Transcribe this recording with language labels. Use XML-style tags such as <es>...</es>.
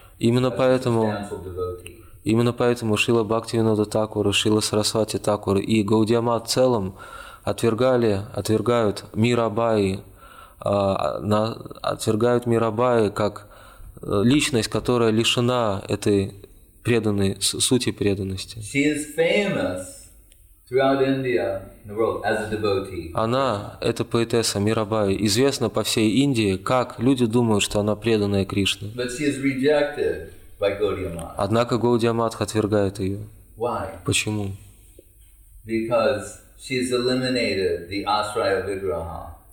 <ru>Именно поэтому Шрила Бхактивинода Такур, Шрила Сарасвати Такур и Гаудия Мат в целом отвергают Мирабаи как личность, которая лишена этой преданной сути преданности.</ru> <en>She is famous throughout India, the world, as a devotee.</en> <ru>Она, эта поэтесса Мирабаи, известна по всей Индии, как люди думают, что она преданная Кришне.</ru> <en>But she is rejected by Gaudiya Math.</en> <ru>Однако Гаудия Матх отвергает ее.</ru> <en>Why?</en> <ru>Почему?</ru> <en>Because she has eliminated the Asraya Vigraha.</en>